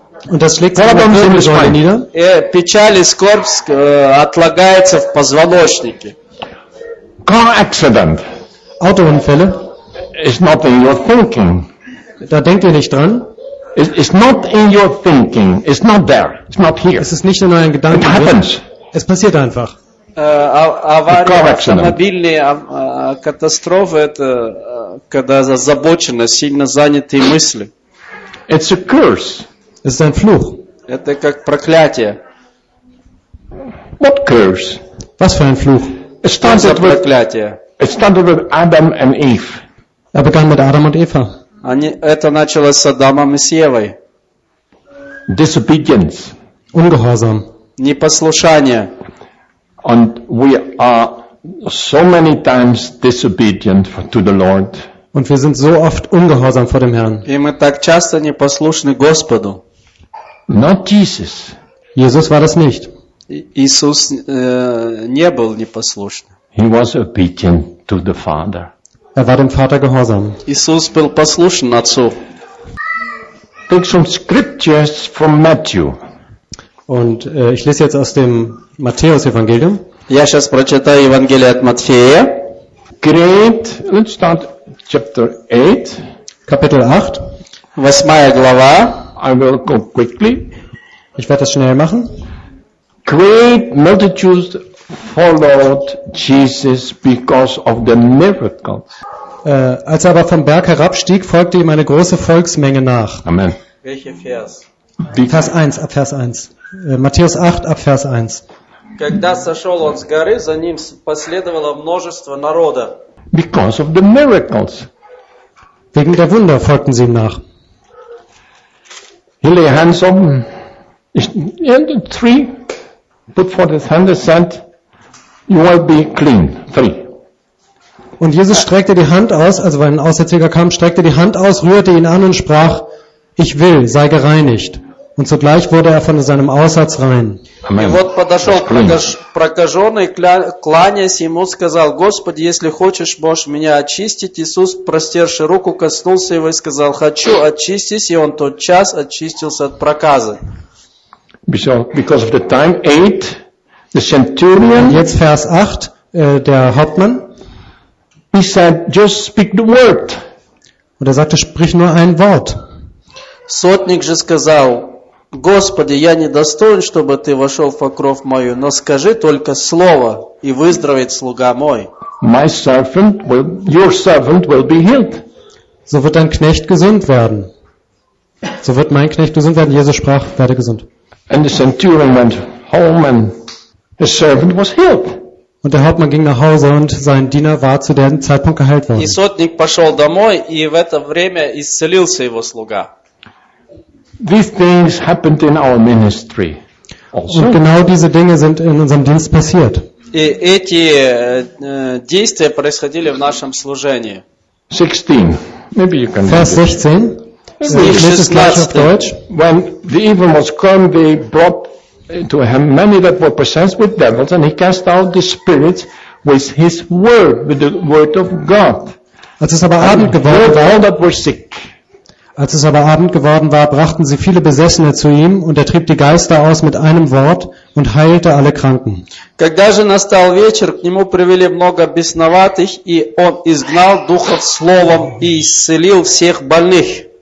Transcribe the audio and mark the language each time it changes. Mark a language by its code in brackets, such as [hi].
[de] Und das schlägt sich in die Säule nieder. [ru] Печаль и скорбь отлагается в позвоночнике. [en] Car accident. [de] Autounfälle. [en] Is not in your thinking. [de] Da denkt ihr nicht dran. [en] It's not in your thinking. It's not there. It's not here. [de] Es ist nicht in euren Gedanken. [en] It happens. [de] Es passiert einfach. [ru] Автомобильные катастрофы это когда озабочены, сильно заняты мысли. [en] It's a curse. [de] Es ist ein Fluch. [ru] Это как проклятие. [en] What curse? [de] Was für ein Fluch? [en] It started with Adam and Eve. [de] Er begann mit Adam und Eva. [ru] Это началось с Адамом и с Евой. [en] Disobedience. [de] Ungehorsam. [ru] Непослушание. [en] And we are so many times disobedient to the Lord. [de] Und wir sind so oft ungehorsam vor dem Herrn. [ru] И мы так часто непослушны Господу. [en] Not Jesus. [de] Jesus war das nicht. [ru] Иисус не был непослушным. [en] He was obedient to the Father. [de] Er war dem Vater gehorsam. [ru] Иисус был послушен отцу. [en] Take some scriptures from Matthew. [de] Und ich lese jetzt aus dem Matthäus-Evangelium. [ru] Я сейчас прочитаю Евангелие от Матфея. [en] Great. Let's start chapter 8. [de] Kapitel 8. [ru] Восьмая глава. [en] I will go quickly. [de] Ich werde das schnell machen. [en] Great multitudes followed Jesus because of the miracles. [de] Als er aber vom Berg herabstieg, folgte ihm eine große Volksmenge nach. Amen. Welcher Vers? Vers 1. Matthäus 8, Abvers 1. [ru] Когда сошел он с горы, за ним последовало множество народа. [en] Because of the miracles. [de] Wegen der Wunder folgten sie ihm nach. [en] He lay hands on three, put forth his hand and said, you will be clean. Three. [de] Und Jesus streckte die Hand aus, also weil ein Aussätziger kam, streckte die Hand aus, rührte ihn an und sprach, ich will, sei gereinigt. Und zugleich wurde von seinem Aussatz rein. [ru] И вот подошел прокаженный, кланяясь ему, сказал: «Господи, если хочешь, можешь меня очистить». Иисус, простерши руку, коснулся его и сказал: «Хочу, очистись». И он тот час очистился от проказа. [en] Because of the time, eight, the centurion. [de] Jetzt Vers 8, der Hauptmann. [en] He said, just speak the word. [de] Und er sagte, sprich nur ein Wort. [ru] Сотник же сказал: Господи, я не достоин, чтобы ты вошел в покров мою, но скажи только слово, и выздоровеет слуга мой. [en] My servant will, your servant will be healed. [de] So wird dein Knecht gesund werden. So wird mein Knecht gesund werden. Jesus sprach, werde gesund. [en] And the centurion went home and his servant was healed. [de] Und der Hauptmann ging nach Hause und sein Diener war zu dem Zeitpunkt geheilt worden. [ru] И сотник пошел домой, и в это время исцелился его слуга. [en] These things happened in our ministry. Also. [de] Und genau diese Dinge sind in unserem Dienst passiert. [ru] И эти действия происходили в нашем служении. [en] 16. Maybe you can. [de] Vers 16. [en] When the evil was come, they brought to him many that were possessed with devils, and he cast out the spirits with his word, with the word of God. [de] Als es aber Abend geworden war, [en] all that were sick. [de] Als es aber Abend geworden war, brachten sie viele Besessene zu ihm, und er trieb die Geister aus mit einem Wort und heilte alle Kranken. [ru] Когда же настал вечер, к нему привели много бесноватых, и он изгнал духов словом и исцелил всех больных.